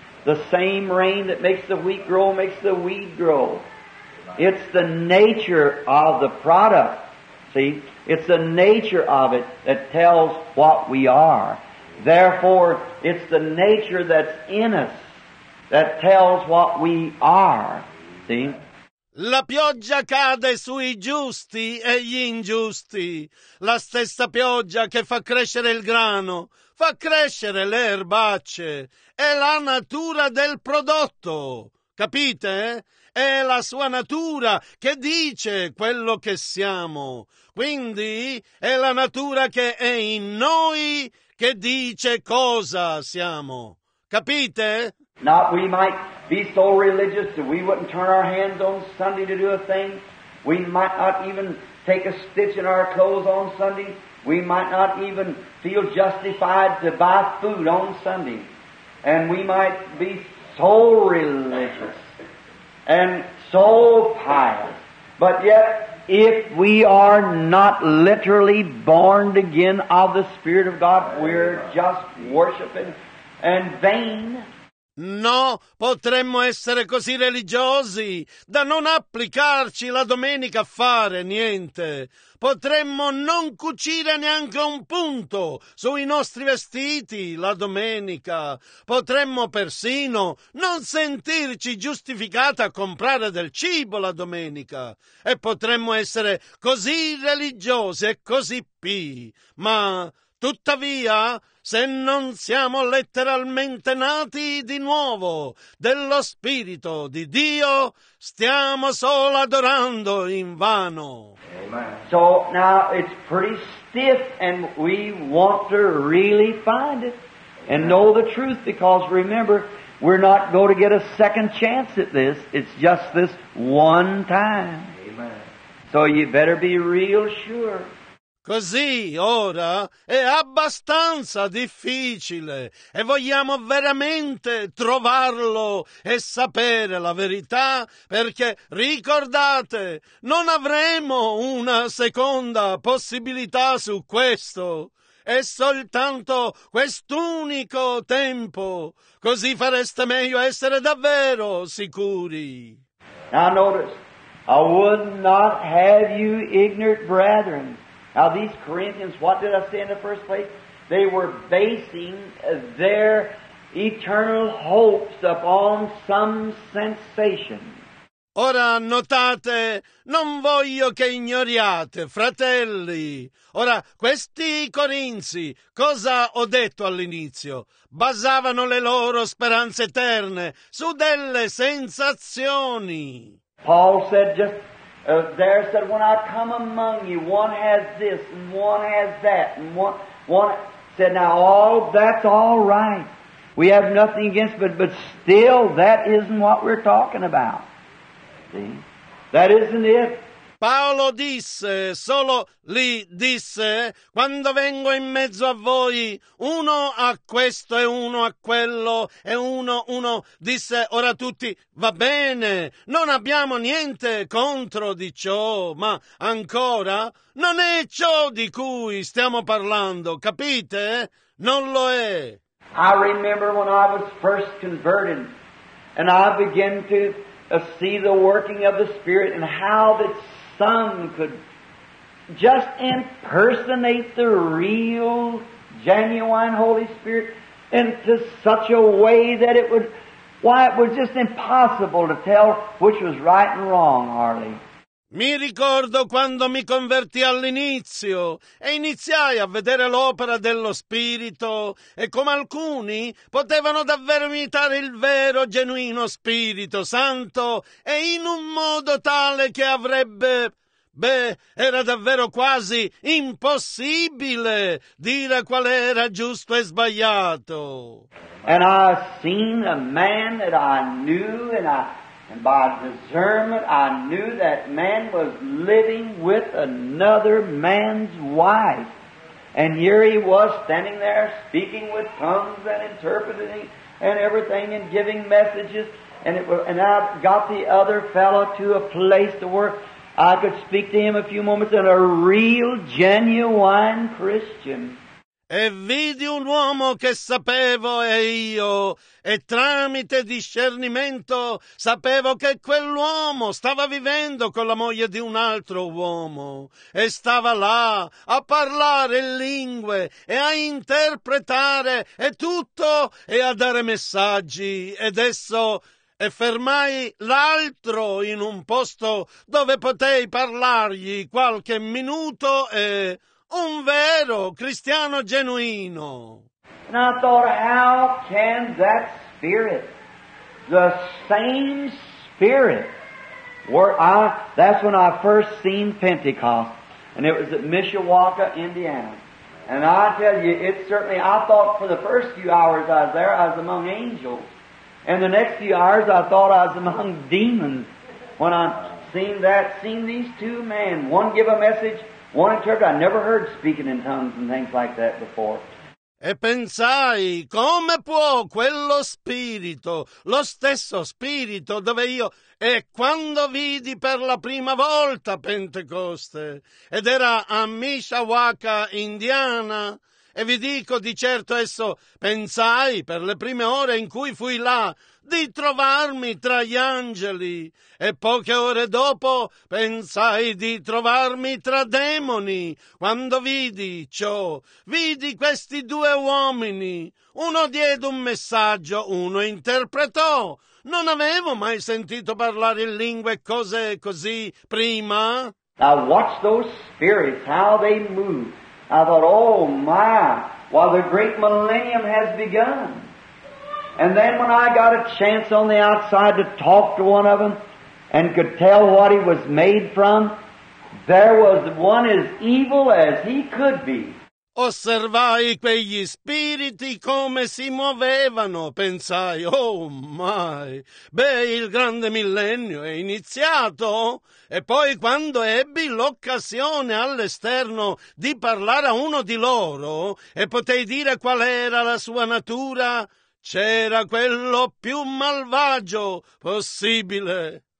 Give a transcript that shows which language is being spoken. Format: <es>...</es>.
<en>The same rain that makes the wheat grow makes the weed grow. It's the nature of the product. See, it's the nature of it that tells what we are. Therefore, it's the nature that's in us that tells what we are. See?</en> <it>La pioggia cade sui giusti e gli ingiusti. La stessa pioggia che fa crescere il grano fa crescere le erbacce. È la natura del prodotto. Capite? È la sua natura che dice quello che siamo. Quindi è la natura che è in noi che dice cosa siamo. Capite?</it> <en>Not we might be so religious that we wouldn't turn our hands on Sunday to do a thing. We might not even take a stitch in our clothes on Sunday. We might not even feel justified to buy food on Sunday. And we might be so religious and so pious. But yet, if we are not literally born again of the Spirit of God, we're just worshiping and vain.</en> <it>No, potremmo essere così religiosi da non applicarci la domenica a fare niente. Potremmo non cucire neanche un punto sui nostri vestiti la domenica. Potremmo persino non sentirci giustificati a comprare del cibo la domenica. E potremmo essere così religiosi e così pii. Ma, tuttavia, se non siamo letteralmente nati di nuovo dello Spirito di Dio, stiamo solo adorando in vano. Amen.</it> <en>So now it's pretty stiff and we want to really find it and know the truth, because remember, we're not going to get a second chance at this. It's just this one time. Amen. So you better be real sure.</en> <it>Così ora è abbastanza difficile e vogliamo veramente trovarlo e sapere la verità, perché ricordate, non avremo una seconda possibilità su questo. è soltanto quest'unico tempo. Così fareste meglio essere davvero sicuri.</it> <en>Now notice, I would not have you ignorant brethren. Now these Corinthians, what did I say in the first place? They were basing their eternal hopes upon some sensation.</en> <it>Ora notate, non voglio che ignoriate, fratelli. Ora, questi corinzi, cosa ho detto all'inizio? Basavano le loro speranze eterne su delle sensazioni.</it> <en>Paul said, just there said, when I come among you, one has this, and one has that, and one said, now all that's all right. We have nothing against it, but still that isn't what we're talking about. That isn't it.</en> <it>Paolo disse, solo lì disse, quando vengo in mezzo a voi, uno a questo e uno a quello, e uno disse, ora tutti, va bene, non abbiamo niente contro di ciò, ma ancora, non è ciò di cui stiamo parlando, capite? Non lo è.</it> <en>I remember when I was first converted, and I began to see the working of the Spirit and how that some could just impersonate the real, genuine Holy Spirit into such a way that it was just impossible to tell which was right and wrong, Harley.</en> <it>Mi ricordo quando mi convertì all'inizio e iniziai a vedere l'opera dello Spirito e come alcuni potevano davvero imitare il vero, genuino Spirito Santo e in un modo tale che avrebbe... Beh, era davvero quasi impossibile dire qual era giusto e sbagliato.</it> <en>And I seen a man that I knew and I... And by discernment, I knew that man was living with another man's wife. And here he was standing there speaking with tongues and interpreting and everything and giving messages. And I got the other fellow to a place to where I could speak to him a few moments and a real, genuine Christian.</en> <it>E vidi un uomo che sapevo e io, e tramite discernimento sapevo che quell'uomo stava vivendo con la moglie di un altro uomo e stava là a parlare lingue e a interpretare e tutto e a dare messaggi ed esso... E fermai l'altro in un posto dove potei parlargli qualche minuto e... Un vero cristiano genuino.</it> <en>And I thought, how can that spirit, the same spirit, that's when I first seen Pentecost, and it was at Mishawaka, Indiana. And I tell you, it certainly, I thought for the first few hours I was there, I was among angels. And the next few hours I thought I was among demons when I seen these two men, one give a message, one interpreter, I never heard speaking in tongues and things like that before.</en> <it>E pensai, come può quello spirito, lo stesso spirito dove io... E quando vidi per la prima volta Pentecoste, ed era a Mishawaka, Indiana, e vi dico di certo esso, pensai per le prime ore in cui fui là... di trovarmi tra gli angeli e poche ore dopo pensai di trovarmi tra demoni quando vidi ciò, vidi questi due uomini, uno diede un messaggio, uno interpretò, non avevo mai sentito parlare in lingue cose così prima.</it> <en>Now watch those spirits, how they move. I thought, oh my, well, the great millennium has begun. And then when I got a chance on the outside to talk to one of them and could tell what he was made from, there was one as evil as he could be.</en> <it>Osservai quegli spiriti come si muovevano, pensai,</it> <en>oh my,</en> <it>beh, il grande millennio è iniziato. E poi quando ebbi l'occasione all'esterno di parlare a uno di loro e potei dire qual era la sua natura, c'era quello più malvagio possibile.</it>